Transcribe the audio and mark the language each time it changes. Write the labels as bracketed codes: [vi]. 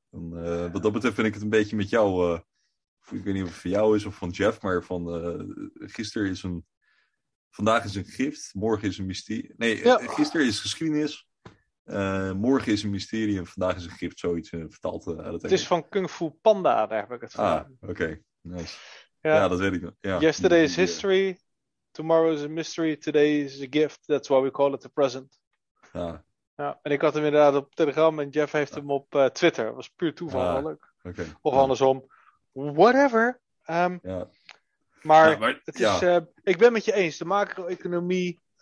[nl] En, wat dat betreft vind ik het een beetje met jou, ik weet niet of het van jou is of van Jeff, maar van gisteren is een, vandaag is een gift, morgen is een mysterie. Nee, gisteren is geschiedenis Morgen is een mysterie en vandaag is een grip, zoiets vertaald uit het Engels. Het is van Kung Fu Panda, daar heb ik het van. Ah, oké. Okay. Nice. Ja. Ja, dat weet ik nog. Ja. [en] Yesterday is history, tomorrow is a mystery, today is a gift. That's why we call it the present. [nl] Ja. Ja. En ik had hem inderdaad op Telegram en Jeff heeft hem op Twitter. Dat was puur toeval, leuk. [en] Okay. [nl] Of andersom. Whatever. Ja. Maar, nou, maar het is, ik ben met je eens. De macro-economie...